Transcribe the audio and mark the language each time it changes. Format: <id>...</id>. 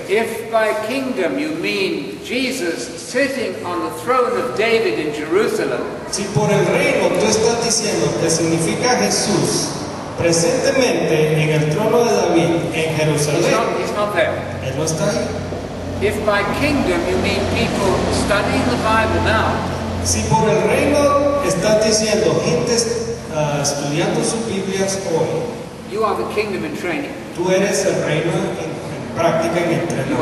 <en>If by kingdom you mean Jesus sitting on the throne of David in Jerusalem.</en> <es>Si por el reino tú estás diciendo que significa Jesús presentemente en el trono de David en Jerusalén.</es> <en>He's not there.</en> <es>Él no está ahí.</es> <en>If by kingdom you mean people studying the Bible now.</en> <es>Si por el reino estás diciendo gente estudiando sus Biblias hoy,</es> <en>you are the kingdom in training.</en> <es>Tú eres el reino en práctica, en entrenamiento.</es>